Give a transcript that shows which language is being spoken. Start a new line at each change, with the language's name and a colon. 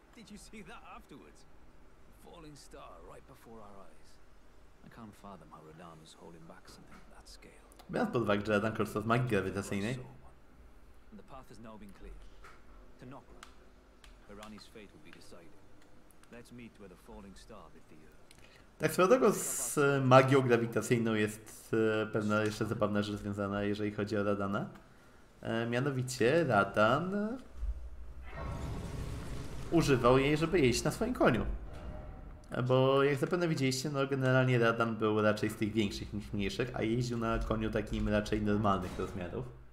English: You see that afterwards? Falling star right before our eyes. I can't fathom how Radan is holding back something that scale.
Polish: Biorąc pod uwagę, że Radan korzysta z magii grawitacyjnej.
English: The path has now been cleared. To Nokra. Irani's fate will be decided. Let's meet where the falling star lit the earth.
Polish: Tak swoją drogą z magią grawitacyjną jest pewna jeszcze zabawna rzecz związana, jeżeli chodzi o Radana. Mianowicie Radan używał jej, żeby jeździć na swoim koniu. Bo jak zapewne widzieliście, no generalnie Radan był raczej z tych większych niż mniejszych, a jeździł na koniu takim raczej normalnych rozmiarów.